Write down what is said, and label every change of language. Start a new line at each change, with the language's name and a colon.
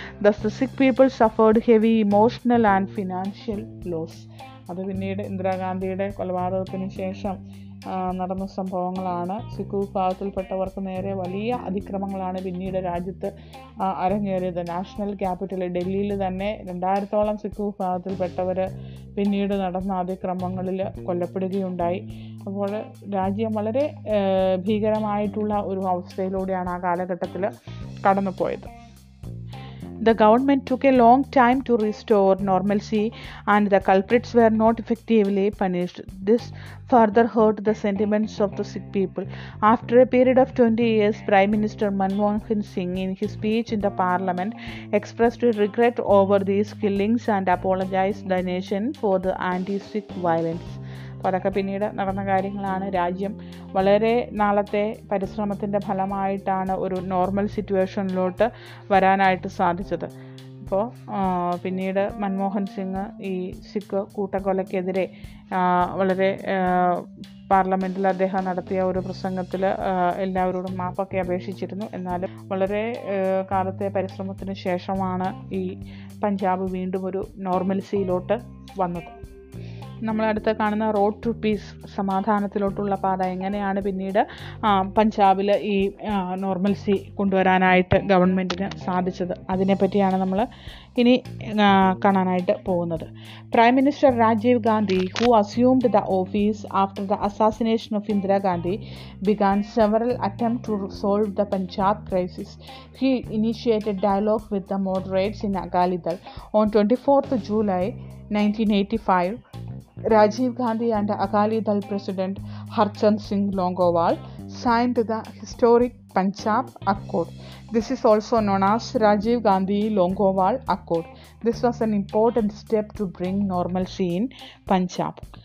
English: Thus, the Sikh people suffered heavy emotional and financial loss.
Malayalam: അത് പിന്നീട് ഇന്ദിരാഗാന്ധിയുടെ കൊലപാതകത്തിന് ശേഷം നടന്ന സംഭവങ്ങളാണ്. സിഖ് വിഭാഗത്തിൽപ്പെട്ടവർക്ക് നേരെ വലിയ അതിക്രമങ്ങളാണ് പിന്നീട് രാജ്യത്ത് അരങ്ങേറിയത്. നാഷണൽ ക്യാപിറ്റൽ ഡൽഹിയിൽ തന്നെ 2000 സിഖ് വിഭാഗത്തിൽപ്പെട്ടവർ പിന്നീട് നടന്ന അതിക്രമങ്ങളിൽ കൊല്ലപ്പെടുകയുണ്ടായി. അപ്പോൾ രാജ്യം വളരെ ഭീകരമായിട്ടുള്ള ഒരു അവസ്ഥയിലൂടെയാണ് ആ കാലഘട്ടത്തിൽ കടന്നുപോയത്.
English: The government took a long time to restore normalcy and the culprits were not effectively punished. This further hurt the sentiments of the Sikh people. After a period of 20 years, Prime Minister Manmohan Singh, in his speech in the parliament, expressed regret over these killings and apologized the nation for the anti-Sikh violence.
Malayalam: അപ്പോൾ അതൊക്കെ പിന്നീട് നടന്ന കാര്യങ്ങളാണ്. രാജ്യം വളരെ നാളത്തെ പരിശ്രമത്തിൻ്റെ ഫലമായിട്ടാണ് ഒരു നോർമൽ സിറ്റുവേഷനിലോട്ട് വരാനായിട്ട് സാധിച്ചത്. അപ്പോൾ പിന്നീട് മൻമോഹൻ സിംഗ് ഈ സിഖ് കൂട്ടക്കൊലക്കെതിരെ വളരെ പാർലമെൻറ്റിൽ അദ്ദേഹം നടത്തിയ ഒരു പ്രസംഗത്തിൽ എല്ലാവരോടും മാപ്പൊക്കെ അപേക്ഷിച്ചിരുന്നു. എന്നാലും വളരെ കാലത്തെ പരിശ്രമത്തിന് ശേഷമാണ് ഈ പഞ്ചാബ് വീണ്ടും ഒരു നോർമൽസിയിലോട്ട് വന്നത്. നമ്മളടുത്ത് കാണുന്ന
English: road to peace,
Malayalam: സമാധാനത്തിലോട്ടുള്ള പാത, എങ്ങനെയാണ് പിന്നീട് പഞ്ചാബിൽ ഈ നോർമൽസി കൊണ്ടുവരാനായിട്ട് ഗവൺമെൻറ്റിന് സാധിച്ചത്, അതിനെപ്പറ്റിയാണ് നമ്മൾ ഇനി കാണാനായിട്ട് പോകുന്നത്.
English: Prime minister Rajeev Gandhi, who assumed the office after the assassination of Indira Gandhi, began several attempt to solve the Punjab crisis. He initiated dialogue with the moderates in Akali Dal. On 24th July 1985, Rajiv Gandhi and Akali Dal President Harchand Singh Longowal signed the historic Punjab Accord. This is also known as Rajiv Gandhi Longowal Accord. This was an important step to bring normalcy in Punjab.